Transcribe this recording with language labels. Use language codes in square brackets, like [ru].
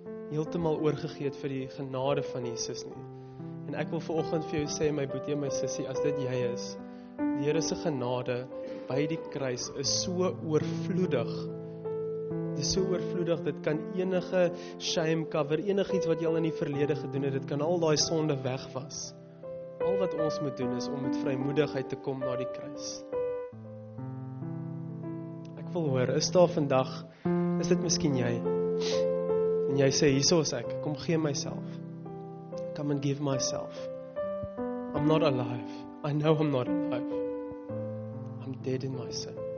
[af] Heeltemal oorgegee het vir die genade van Jesus nie. En ek wil vanoggend vir jou sê, my boetie en my sissie, as dit jy is, die Here se genade by die kruis is so oorvloedig. Dit is so oorvloedig, dit kan enige [en] shame cover, [af] enigiets wat jy al in die verlede gedoen het, dit kan al daai sonde wegwas. Al wat ons moet doen is om met vrymoedigheid te kom na die kruis. Ek wil hoor, is daar vandag, is dit miskien jy? En jy sê, hierso is ek, kom gee myself. [en] Come and give myself. I'm not alive. I know I'm not alive. I'm dead in my sin.